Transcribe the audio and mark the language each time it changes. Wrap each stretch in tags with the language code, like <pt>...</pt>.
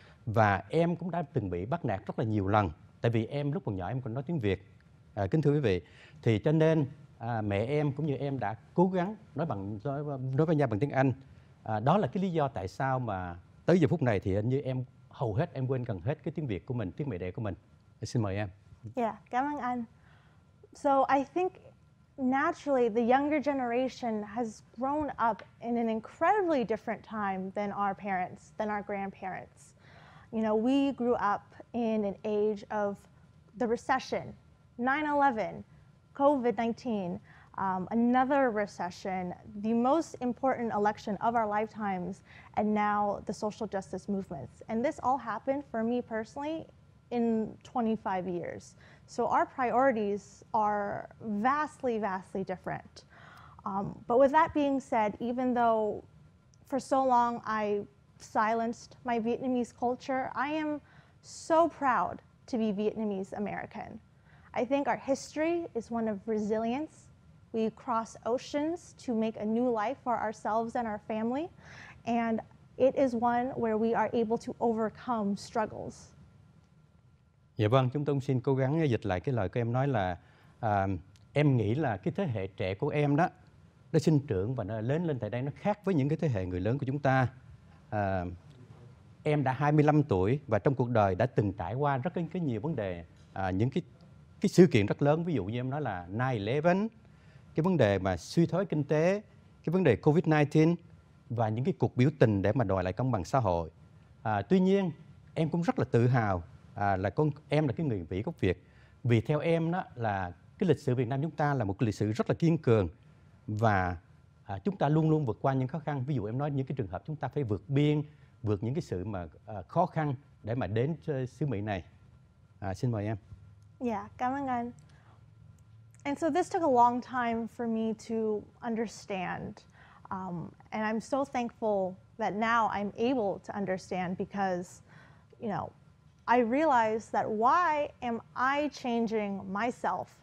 <vi>Và em cũng đã từng bị bắt nạt rất là nhiều lần, tại vì em lúc còn nhỏ em còn nói tiếng Việt. Kính thưa quý vị, thì cho nên mẹ em cũng như em đã cố gắng nói với nhau bằng tiếng Anh. Đó là cái lý do tại sao mà tới giờ phút này thì hình như em hầu hết em quên gần hết cái tiếng Việt của mình, tiếng mẹ đẻ của mình. Xin mời em. Yeah, cảm ơn anh.</vi> <en>So I think naturally the younger generation has grown up in an incredibly different time than our parents, than our grandparents. You know, we grew up in an age of the recession, 9/11, COVID-19, another recession, the most important election of our lifetimes, and now the social justice movements. And this all happened for me personally in 25 years. So our priorities are vastly, vastly different. But with that being said, even though for so long I silenced my Vietnamese culture, I am so proud to be Vietnamese American. I think our history is one of resilience. We cross oceans to make a new life for ourselves and our family, and it is one where we are able to overcome struggles.</en> <vi>Dạ vâng, chúng tôi cũng xin cố gắng dịch lại cái lời của em nói là em nghĩ là cái thế hệ trẻ của em đó, nó sinh trưởng và nó lớn lên tại đây, nó khác với những cái thế hệ người lớn của chúng ta. Em đã 25 tuổi và trong cuộc đời đã từng trải qua rất là nhiều vấn đề, những cái sự kiện rất lớn, ví dụ như em nói là 9/11, cái vấn đề mà suy thoái kinh tế, cái vấn đề COVID-19 và những cái cuộc biểu tình để mà đòi lại công bằng xã hội. Tuy nhiên, em cũng rất là tự hào là em là cái người Mỹ gốc Việt, vì theo em đó là cái lịch sử Việt Nam chúng ta là một lịch sử rất là kiên cường và chúng ta luôn luôn vượt qua những khó khăn. Ví dụ em nói những cái trường hợp chúng ta phải vượt biên, vượt những cái sự mà khó khăn để mà đến xứ Mỹ này. Xin mời em. Yeah, cảm ơn anh.</vi> <en>And so this took a long time for me to understand. And I'm so thankful that now I'm able to understand, because, you know, I realized that why am I changing myself?</en>